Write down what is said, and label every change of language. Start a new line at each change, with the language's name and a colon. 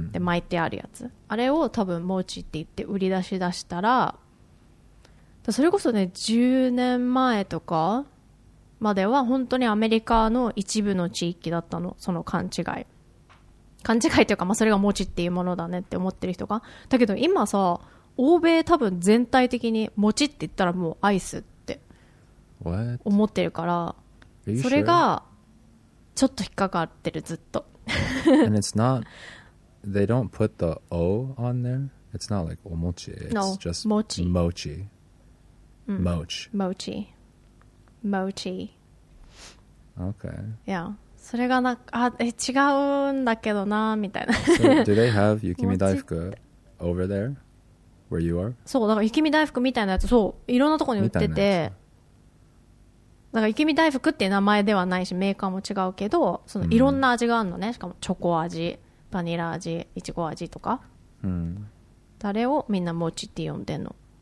Japanese: で巻いてあるやつ、あれを多分モーチって言って売り出し出したら、それこそね10年前とかまでは本当にアメリカの一部の地域だったの、その勘違い、勘違いというか、まあ、それがモチっていうものだねって思ってる人が。だけど今さ、欧米多分全体的にモチって言ったらもうアイスって思ってるから、それがちょっと引っかかってるずっと。
English: And it's not, they don't put the O on there. It's not like
Japanese: お餅。
English: It's no, just mochi. Mochi. Mochi. Mochi. Mochi. Okay. Yeah.
Japanese: それがなあ、違うんだけどなみたいな。
English: So, do they have 雪見大福 over there where you are?
Japanese: そう、だから雪見大福みたいなやつ、そう、いろんなとこに売ってて、だから雪見大福っていう名前ではないし、メーカーも違うけど、そのいろんな味があるのね。しかもチョコ味、バニラ味、いちご味とか。あれをみんなもちって呼んでんの。